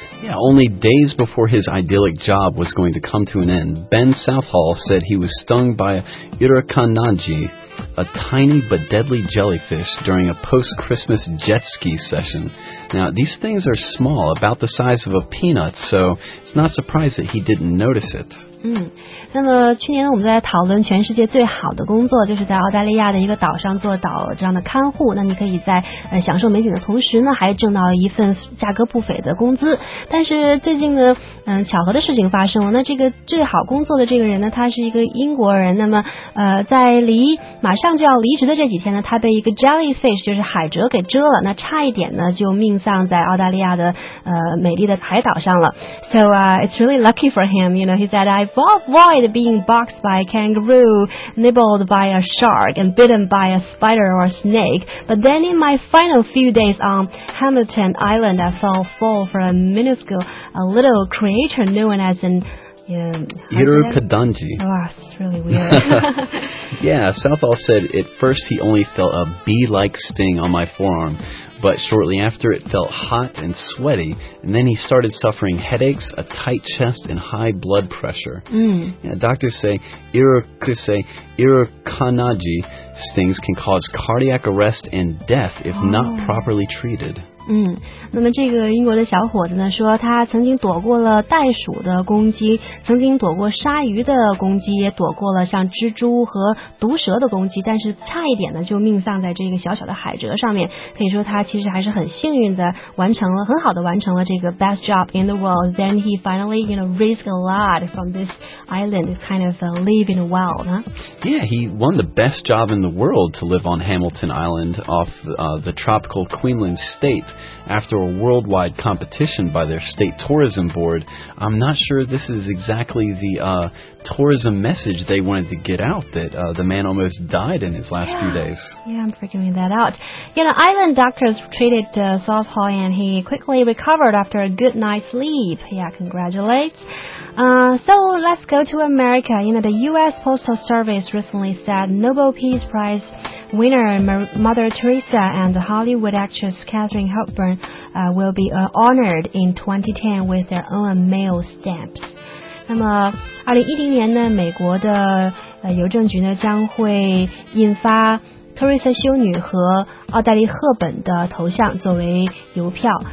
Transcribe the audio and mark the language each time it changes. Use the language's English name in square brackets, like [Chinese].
[English] Yeah, only days before his idyllic job was going to come to an end, Ben Southall said he was stung by a Irukandji, a tiny but deadly jellyfish, during a post-Christmas jet ski session. Now, these things are small, about the size of a peanut, so it's not surprised that he didn't notice it. [Chinese] 那么去年我们在讨论全世界最好的工作，就是在澳大利亚的一个岛上做岛这样的看护。那你可以在享受美景的同时呢，还挣到一份价格不菲的工资。但是最近呢，巧合的事情发生了。那这个最好工作的这个人呢，他是一个英国人。那么在离马上就要离职的这几天呢，他被一个 jellyfish 就是海蜇给蛰了。那差一点呢，就命丧在澳大利亚的美丽的海岛上了。 [English] So it's really lucky for him, he said I avoid being boxed by a kangaroo, nibbled by a shark, and bitten by a spider or a snake. But then in my final few days on Hamilton Island, I fell full for a minuscule, a little creature known as an Irukandji. Oh, that's really weird. Yeah, Southall said at first he only felt a bee-like sting on my forearm, but shortly after it felt hot and sweaty, and then he started suffering headaches, a tight chest, and high blood pressure. Doctors say Irukandji stings can cause cardiac arrest and death if not properly treated. [Chinese] 那么这个英国的小伙子呢，说他曾经躲过了袋鼠的攻击，曾经躲过鲨鱼的攻击，也躲过了像蜘蛛和毒蛇的攻击，但是差一点呢就命丧在这个小小的海蜇上面。可以说他其实还是很幸运的，完成了很好的完成了这个 [English] best job in the world. Then he finally, risked a lot from this island. It's kind of living well, huh? Yeah, he won the best job in the world to live on Hamilton Island off the tropical Queensland state. After a worldwide competition by their state tourism board, I'm not sure this is exactly the tourism message they wanted to get out, that the man almost died in his last few days. Yeah, I'm figuring that out. Island doctors treated Southall and he quickly recovered after a good night's sleep. Yeah, congratulates. So let's go to America. The U.S. Postal Service recently said Nobel Peace Prize winner Mother Teresa and Hollywood actress Katharine Hepburn will be honored in 2010 with their own mail stamps. [Chinese] 那么2010年呢，美国的邮政局呢将会印发特瑞莎修女和奥黛丽赫本的头像作为邮票。